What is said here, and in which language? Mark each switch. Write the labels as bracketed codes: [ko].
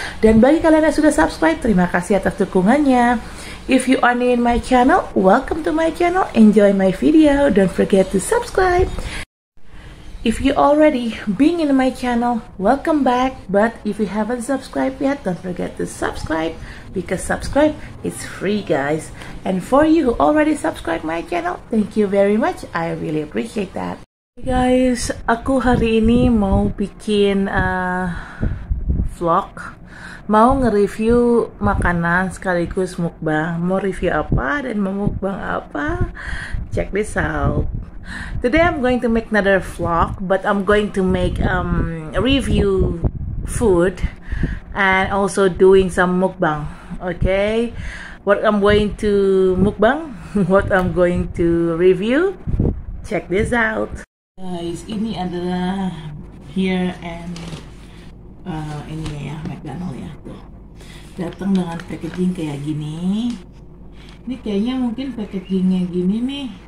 [id] Dan bagi kalian yang sudah subscribe, terima kasih atas dukungannya. [en] If you are new in my channel, welcome to my channel, enjoy my video, don't forget to subscribe. If you already being in my channel, welcome back. But if you haven't subscribed yet, don't forget to subscribe, because subscribe is free, guys. And for you who already subscribed my channel, thank you very much. I really appreciate that. Hey guys, [id] aku hari ini mau bikin vlog. Mau nge-review makanan sekaligus mukbang. Mau review apa dan mau mukbang apa? [en] Check this out. Today I'm going to make another vlog, but I'm going to make review food and also doing some mukbang. Okay, what I'm going to review, check this out. [id] Guys, ini adalah here and ini ya McDonald's ya. Datang dengan packaging kayak gini. Ini kayaknya mungkin packagingnya gini nih.